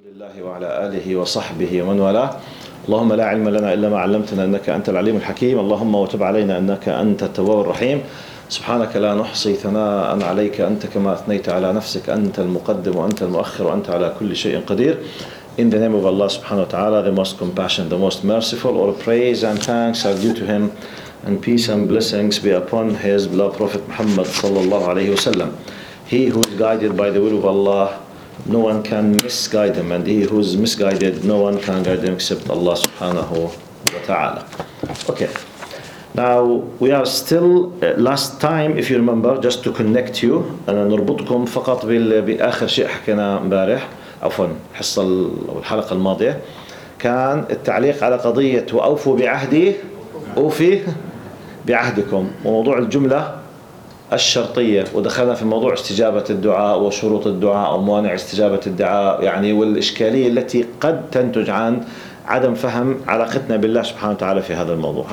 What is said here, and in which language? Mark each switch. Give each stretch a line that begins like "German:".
Arabic: لله وعلى آله وصحبه ومن والاه. اللهم لا علم لنا إلا ما علمتنا إنك أنت العليم الحكيم. اللهم وتب علينا إنك أنت التواب الرحيم. سبحانك لا نحصي ثناء عليك أنت كما أثنيت على نفسك. أنت المقدم وأنت المؤخر وأنت على كل شيء قدير.
English: In the name of Allah subhanahu wa ta'ala, the most compassionate, the most merciful, all praise and thanks are due to him, and peace and blessings be upon his beloved Prophet Muhammad sallallahu alayhi wa sallam. He who is guided by the will of Allah, no one can misguide him, and he who is misguided, no one can guide him except Allah subhanahu wa ta'ala. Okay, now we are still, last time, if you remember, just to connect you, and
Arabic: نربطكم فقط بآخر شيء حكينا مبارح, الحلقة الماضية, كان التعليق على قضية وأوفوا بعهدي أوفي بعهدكم, وموضوع الجملة الشرطية, ودخلنا في موضوع استجابة الدعاء وشروط الدعاء وموانع استجابة الدعاء, يعني والإشكالية التي قد تنتج عن عدم فهم علاقتنا بالله سبحانه وتعالى في هذا الموضوع.